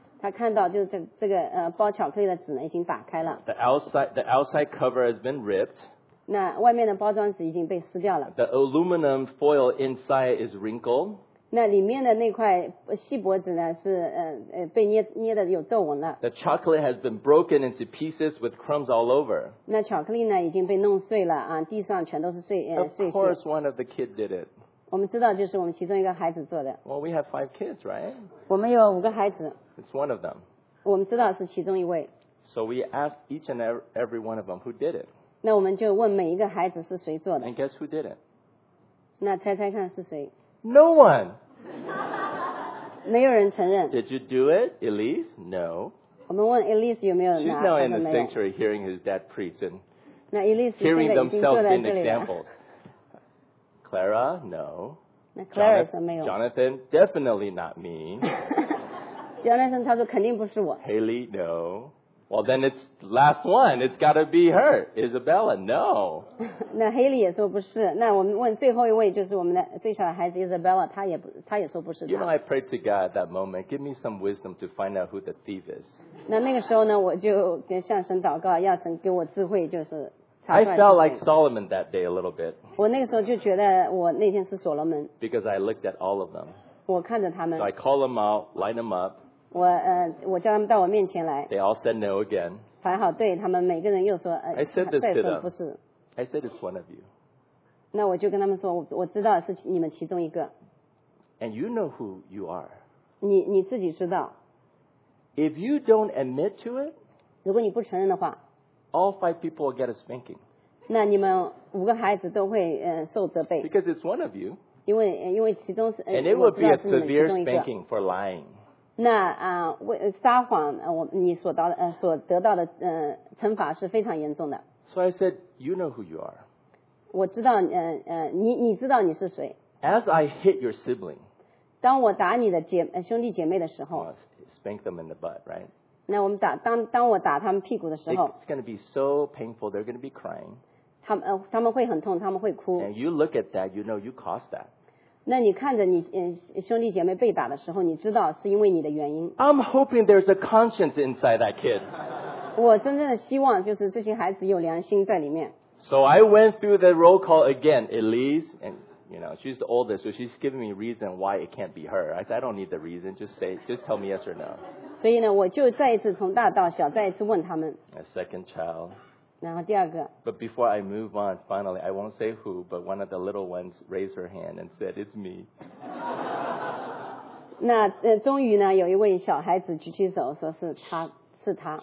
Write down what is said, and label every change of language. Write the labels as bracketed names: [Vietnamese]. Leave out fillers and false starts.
[Chinese] 她看到就这个包巧克力的纸呢已经打开了。 [English] The outside cover has been ripped. [Chinese] 那外面的包装纸已经被撕掉了。 [English] The aluminum foil inside is wrinkled. [Chinese] 那里面的那块锡箔纸呢是被捏的有皱纹了。 [English] The chocolate has been broken into pieces with crumbs all over. [Chinese] 那巧克力呢已经被弄碎了啊，地上全都是碎屑。 [English] Of course, one of the kids did it. [Chinese] 我们知道就是我们其中一个孩子做的。 [English] Well, we have 5 kids, right? [Chinese] 我们有5个孩子。 [English] It's one of them. [Chinese] 我们知道是其中一位。 [English] So we asked each and every one of them who did it. [Chinese] 那我们就问每一个孩子是谁做的。 [English] And guess who did it? [Chinese] 那猜猜看是谁。 [English] No one. [Chinese] 没有人承认。 [English] Did you do it, Elise? No. [Chinese] 我们问 Elise 有没有拿。 [English] She's now in the sanctuary hearing his dad preach and [Chinese] 那 Elise [English] hearing themselves in examples. Clara, no. [Chinese] 那 Clara 说没有。 [English] Jonathan, definitely not me. [Chinese] Jonathan 他说肯定不是我。 [English] Haley, no. Well, then it's last one. It's got to be her. Isabella, no. [Chinese] 那 Haley 也说不是。那我们问最后一位，就是我们的最小的孩子 Isabella， 她也说不是她。 [English] You know, I prayed to God at that moment. Give me some wisdom to find out who the thief is. [Chinese] 那个时候呢，我就向神祷告，要神给我智慧，就是查出来。 [English] I felt like Solomon that day a little bit. [Chinese] 我那个时候就觉得我那天是所罗门。 [English] Because I looked at all of them. [Chinese] 我看着他们。 [English] So I call them out, line them up. [Chinese] 我叫他们到我面前来。 [English] They all said no again. [Chinese] 排好队，他们每个人又说 [English] I said this to them. [Chinese] 不是。 [English] I said it's one of you. [Chinese] 那我就跟他们说，我知道是你们其中一个。 [English] And you know who you are. [Chinese] 你自己知道。 [English] If you don't admit to it, [Chinese] 如果你不承认的话 [English] all 5 people will get a spanking. [Chinese] 那你们五个孩子都会受责备。 [English] Because it's one of you. [Chinese] 因为其中是 [English] And it would be a severe spanking for lying. [Chinese] 那啊，撒谎，你所得到的惩罚是非常严重的。 [English] So I said, you know who you are. [Chinese] 我知道，你知道你是谁。 [English] As I hit your sibling. [Chinese] 当我打你的兄弟姐妹的时候。 [English] Spank them in the butt, right? [Chinese] 那我们打当我打他们屁股的时候。 [English] It's going to be so painful. They're going to be crying. [Chinese] 他们会很痛，他们会哭。 [English] And you look at that, you know you caused that. [Chinese] 那你看着你兄弟姐妹被打的时候，你知道是因为你的原因。 [English] I'm hoping there's a conscience inside that kid. [Chinese] 我真正的希望就是这些孩子有良心在里面。 [English] So I went through the roll call again, Elise, and you know she's the oldest, so she's giving me reason why it can't be her. I said I don't need the reason, just tell me yes or no. [Chinese] 所以呢，我就再一次从大到小，再一次问他们。 [English] A second child. [Chinese] 然后第二个。 [English] But before I move on, finally, I won't say who, but one of the little ones raised her hand and said, "It's me." [Chinese] 那终于呢，有一位小孩子举起手，说是他，是他。